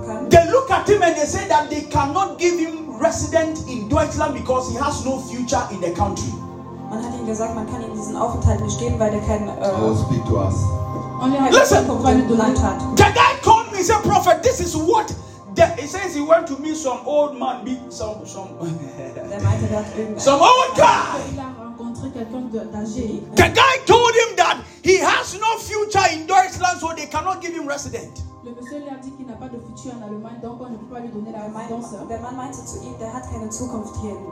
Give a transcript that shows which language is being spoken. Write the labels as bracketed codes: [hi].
[en] They look at him and they say that they cannot give him resident in Deutschland because he has no future in the country. [de] Man hat ihm gesagt, man kann ihm diesen Aufenthalt nicht geben, weil er keinen. [en] Speak to us. Listen. The guy called me, said, "Prophet, this is what." He says he went to meet some old man, some old guy. The guy told him that he has no future in Deutschland, so they cannot give him resident. [fr] Le monsieur lui a dit qu'il n'a pas de futur en Allemagne, donc on ne peut pas lui donner la résidence. [de] Der Mann meinte zu ihm, der hat keine Zukunft hier.